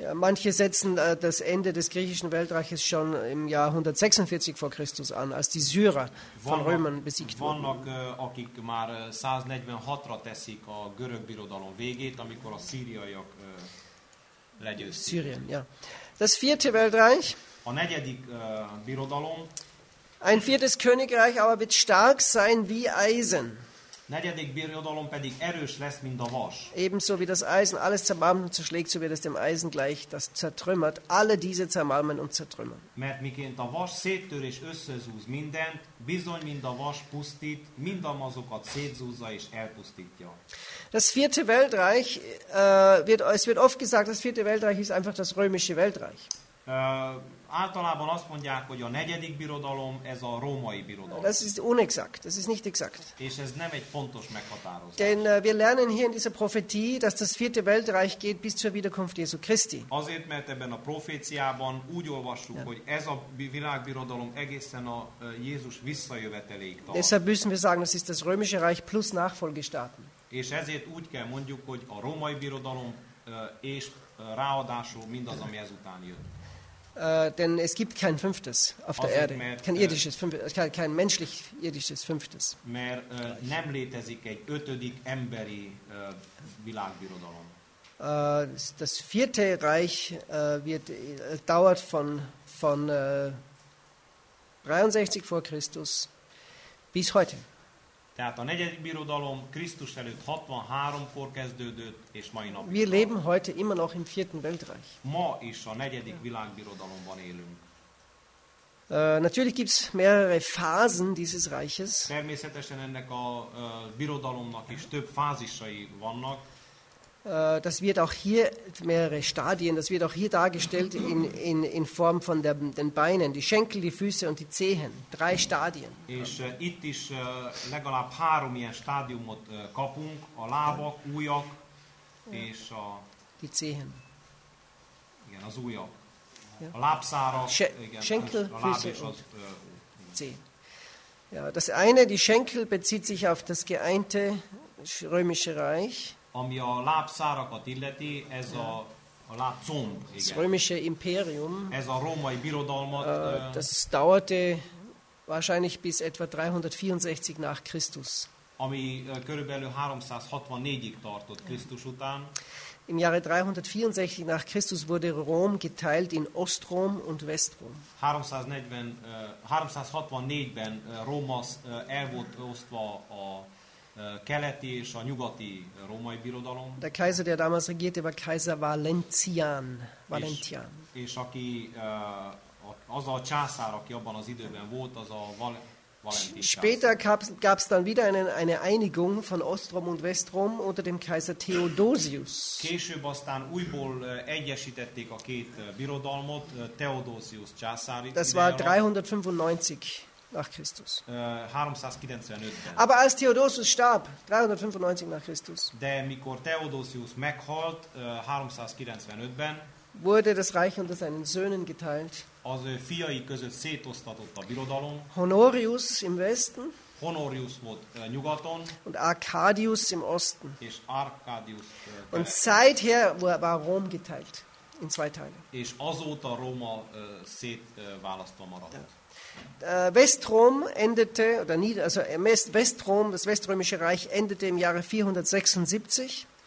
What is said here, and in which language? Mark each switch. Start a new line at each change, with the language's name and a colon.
German: Ja, manche setzen das Ende des griechischen Weltreiches schon im Jahr 146 vor Christus an, als die Syrer von Römern besiegt wurden.
Hungarian: Vannak, akik már 146-ra teszik a görög birodalom végét, amikor a szíriaiak legyőzték.
German: Syrien, ja. Das vierte Weltreich.
Hungarian: A negyedik birodalom.
German: Ein viertes Königreich, aber wird stark sein wie Eisen.
Hungarian: Negyedik birodalom pedig erős lesz, mint a vas.
German: Ebenso wie das Eisen alles zermalmt und zerschlägt, so wird es dem Eisen gleich, das zertrümmert, alle diese zermalmen und zertrümmern.
Hungarian: Mert miként a vas széttör és összezúz mindent, bizony, mint a vas pusztít, mindamazokat szétzúzza és elpusztítja.
German: Das vierte Weltreich, es wird oft gesagt, das vierte Weltreich ist einfach das römische Weltreich.
Hungarian: Általában azt mondják, hogy a negyedik birodalom ez a római birodalom.
German: Das ist unexakt, das ist nicht exakt.
Hungarian: És ez nem egy pontos meghatározás.
German: Denn wir lernen hier in dieser Prophetie, dass das vierte Weltreich geht bis zur Wiederkunft Jesu Christi.
Hungarian: Azért, mert ebben a proféciában úgy olvassuk, hogy ez a világbirodalom egészen a Jézus visszajöveteléig tart.
German: Deshalb müssen wir sagen, das ist das römische Reich plus Nachfolgestaaten.
Hungarian: És ezért úgy kell mondjuk, hogy a római birodalom és ráadásul mindaz, ami ezután jött.
German: Denn es gibt kein fünftes auf der Erde, kein irdisches, kein menschlich irdisches fünftes.
Hungarian: Mert nem létezik egy ötödik emberi világbirodalom.
German: Das vierte Reich dauert von 63 vor Christus bis heute.
Hungarian: Tehát a negyedik birodalom Krisztus előtt 63-kor kezdődött, és mai napig.
German: Wir leben heute immer noch im vierten Weltreich.
Hungarian: Ma is a negyedik világbirodalomban élünk.
German: Natürlich gibt's mehrere Phasen dieses Reiches.
Hungarian: Természetesen ennek a birodalomnak is több fázisai vannak.
German: Das wird auch hier mehrere Stadien, das wird auch hier dargestellt in Form von den Beinen, die Schenkel, die Füße und die Zehen. Drei Stadien.
Hungarian: És itt is legalább három ilyen stádiumot kapunk, a lábak, ujjak és a...
German: Die Zehen.
Hungarian: Igen, az ujjak. A lábszárak,
German: Schenkel, Füße und Zehen. Ja, das eine, die Schenkel, bezieht sich auf das geeinte römische Reich.
Hungarian: Ami a lábszárakat illeti, ez a lábcomb.
German: Das römische Imperium.
Hungarian: Ez a római birodalmat.
German: Das dauerte wahrscheinlich bis etwa 364 nach Christus.
Hungarian: Ami körülbelül 364-ig tartott Krisztus után.
German: Im Jahre 364 nach Christus wurde Rom geteilt in Ostrom und Westrom.
Hungarian: 364-ben Rómas el volt osztva a keleti és a nyugati római birodalom.
German: Der Kaiser, der damals regierte, war Kaiser Valentian.
Hungarian: És aki az a császár, aki abban az időben volt, az a Valentin.
German: Später gab es dann wieder eine Einigung von Ostrom und Westrom unter dem Kaiser Theodosius.
Hungarian: Később aztán újból egyesítették a két birodalmot, Theodosius császár.
German: Das war 395. nach Christus.
Hungarian: 395-ben.
German: Aber als Theodosius starb, 395 nach Christus,
Hungarian: de mikor Theodosius meghalt, 395-ben,
German: wurde das Reich unter seinen Söhnen geteilt.
Hungarian: Az ő fiai között szétosztatott a birodalom.
German: Honorius im Westen.
Hungarian: Honorius volt nyugaton.
German: Und Arcadius im Osten.
Hungarian: És Arcadius.
German: Und seither war Rom geteilt in zwei Teile.
Hungarian: És azóta Róma szétválasztva maradt.
German: Westrom endete, oder nie, also Westrom, das weströmische Reich, endete im Jahre 476.